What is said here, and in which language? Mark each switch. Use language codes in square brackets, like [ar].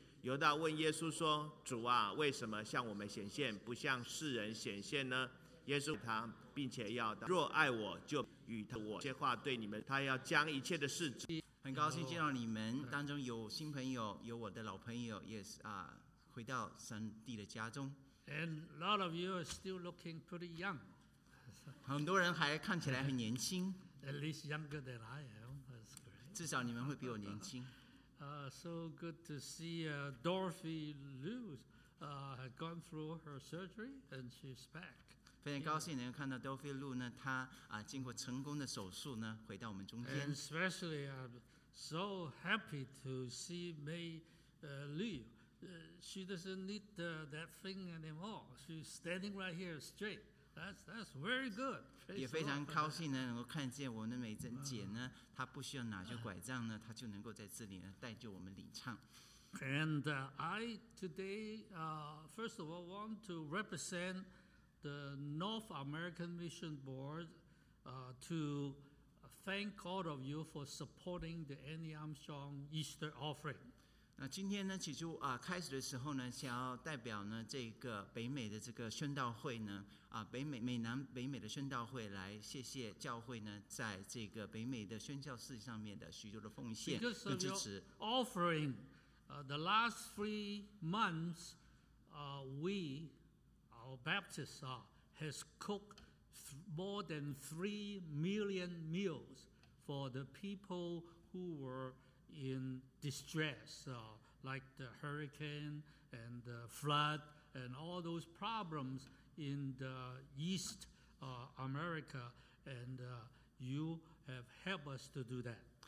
[zh] 犹大问耶稣说，主啊，为什么向我们显现，不向世人显现呢？耶稣他并且要答，若爱我就与他我这些话对你们，他要将一切的事。很高兴见到你们当中有新朋友，有我的老朋友，也是回到上帝的家中。 [en] And a lot of you are still looking pretty young. [zh] 很多人还看起来很年轻。 [en] At least younger than I am. That's great. [zh] 至少你们会比我年轻。 [en] So good to see Dorothy Liu had gone through her surgery and she's back. [zh] 非常高兴能看到 Dorothy Liu 呢，她经过成功的手术呢，回到我们中间。 [en] And especially I'm so happy to see May Liu. She doesn't need that thing anymore. She's standing right here straight. That's very good. [zh] 也非常高兴呢，能够看见我们的美珍姐呢，她不需要拿着拐杖呢，她就能够在这里呢带着我们领唱。 [en] And I today, first of all, want to represent the North American Mission Board to thank all of you for supporting the Annie Armstrong Easter Offering. [zh] 那今天呢，起初开始的时候呢，想要代表呢这个北美的这个宣道会呢，北美的宣道会来谢谢教会呢，在这个北美的宣教事上面的许多的奉献跟支持。 [en] Because of your offering, the last three months, our Baptists has cooked more than 3 million meals for the people who were. In distress, like the hurricane and the flood, and all those problems in the East America, and you have helped us to do that.